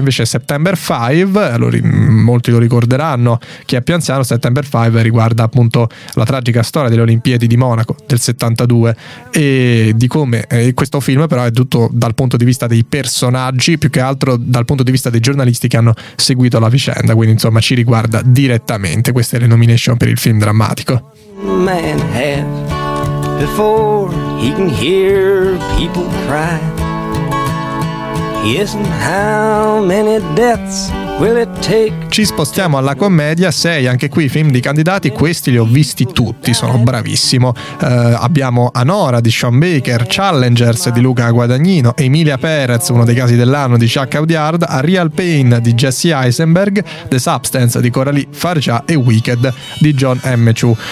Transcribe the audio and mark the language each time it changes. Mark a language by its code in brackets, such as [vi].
[it] Invece September 5, molti lo ricorderanno, chi è più anziano, September 5 riguarda appunto la tragica storia delle Olimpiadi di Monaco del 72 e di come questo film però è tutto dal punto di vista dei personaggi, più che altro dal punto di vista dei giornalisti che hanno seguito la vicenda, quindi insomma ci riguarda direttamente. Queste le nomination per il film drammatico. [en] Man has before he can hear people cry. Yes, and how many deaths will it take? [it] Ci spostiamo alla commedia, 6 anche qui film di candidati, questi li ho visti tutti, sono bravissimo. Abbiamo Anora di Sean Baker, Challengers di Luca Guadagnino, Emilia Perez, uno dei casi dell'anno di Jacques Audiard, A Real Pain di Jesse Eisenberg, The Substance di Coralie Farja e Wicked di John M. Chu.